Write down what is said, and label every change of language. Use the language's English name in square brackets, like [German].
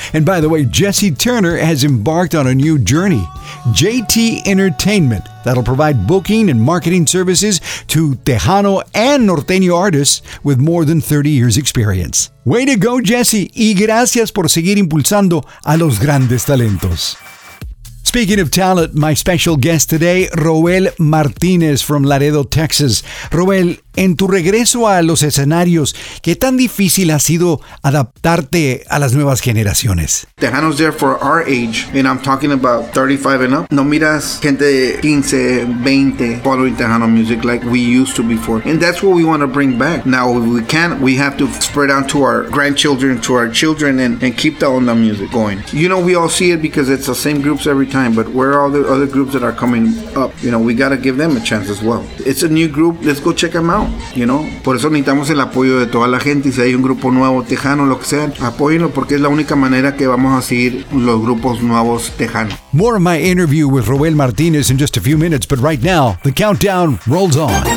[English] And by the way, Jesse Turner has embarked on a new journey, JT Entertainment, that'll provide booking and marketing services to Tejano and Norteño artists with more than 30 years experience. Way to go, [Spanish] Jesse, y gracias por seguir impulsando a los grandes talentos. [English] Speaking of talent, my special guest today, Roel Martinez from Laredo, Texas. [Spanish] Roel, en tu regreso a los escenarios, ¿qué tan difícil ha sido adaptarte a las nuevas generaciones? [English] Tejano's there for our age, and I'm talking about 35 and up. [Spanish] No miras gente de [English] 15, 20 following Tejano music like we used to before. And that's what we want to bring back. Now, if we can't, we have to spread out to our grandchildren, to our children, and keep the onda music going. You know, we all see it because it's the same groups every time, but where are all the other groups that are coming up? You know, we got to give them a chance as well. It's a new group. Let's go check them out. [Spanish] You know, por eso necesitamos el apoyo de toda la gente. Si hay un grupo nuevo, Tejano, lo que sea, apóyenlo porque es la única manera que vamos a seguir los grupos nuevos Tejano. [English] More of my interview with Roel Martinez in just a few minutes, but right now, the countdown rolls on.